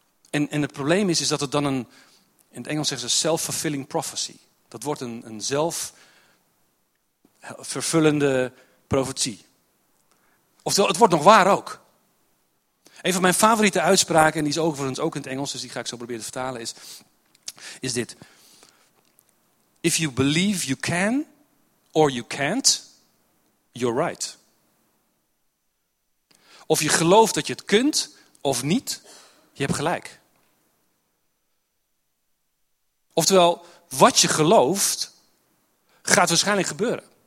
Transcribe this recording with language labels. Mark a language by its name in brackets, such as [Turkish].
[Dutch] En het probleem is dat het dan een, in het Engels zeggen ze self-fulfilling prophecy. Dat wordt een zelfvervullende profetie. Oftewel, het wordt nog waar ook. Een van mijn favoriete uitspraken, en die is overigens ook in het Engels, dus die ga ik zo proberen te vertalen, is dit. [English] If you believe you can or you can't, you're right. [Dutch] Of je gelooft dat je het kunt of niet, je hebt gelijk. Oftewel, wat je gelooft, gaat waarschijnlijk gebeuren.